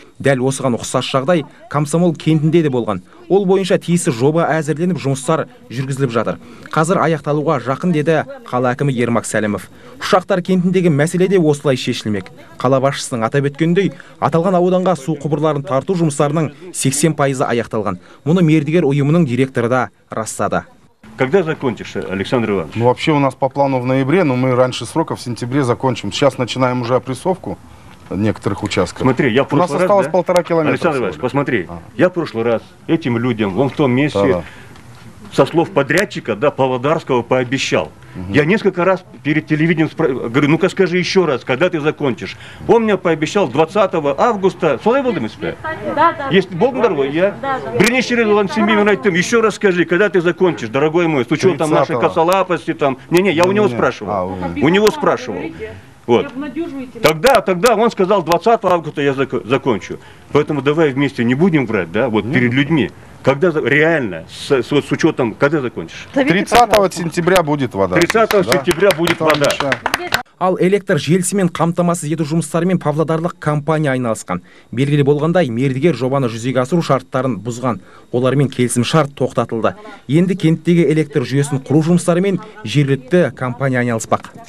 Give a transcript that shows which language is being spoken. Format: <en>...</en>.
<kk>Дәл осыған ұқсас жағдай Комсомол кентінде де болған. Ол бойынша тиісті жоба әзірленіп жұмыстар жүргізіліп жатыр. Қазір аяқталуға жақын, деді қала әкімі Ермак Сәлімов. Ұшақтар кентіндегі мәселе де осылай шешілмек. Қала басшысының атап өткендей, аталған ауданға су құбырларын тарту жұмыстарының 80% аяқталған. Мұны мердігер ұйымының директоры да растады.</kk> <ru>Когда закончишь, Александр Иванович? Ну, вообще у нас по плану в ноябре, но мы раньше срока в сентябре закончим. Сейчас начинаем уже опрессовку некоторых участков. Смотри, я в прошлый раз... У нас осталось, да, полтора километра. Александр Иванович, посмотри, я в прошлый раз этим людям, вон в том месте, со слов подрядчика, да, Павлодарского, пообещал. Я несколько раз перед телевидением говорю, ну-ка скажи еще раз, когда ты закончишь. Он мне пообещал 20 августа. Слава Богу, мы спим. Если Бог здоровый, я. Бринище Ван Семимин, еще раз скажи, когда ты закончишь, дорогой мой, с учетом нашей косолапости там. Не-не, я у него спрашивал. У него спрашивал. Вот. Тогда он сказал, 20 августа я закончу. Поэтому давай вместе не будем врать, да, вот перед людьми. Когда реально, с учетом, когда закончишь? 30 сентября будет вода. 30 сентября будет вода.</ru> <kk>Ал электр желісімен қамтамасыз ету жұмыстарымен павлодарлық компания айналысқан. Белгілі болғандай, мердігер жобаны жүзеге асыру шарттарын бұзған. Олармен келісім шарт тоқтатылды. Енді кенттегі электр жүйесін құру жұмыстарымен жергілікті компания айналыспақ.</kk>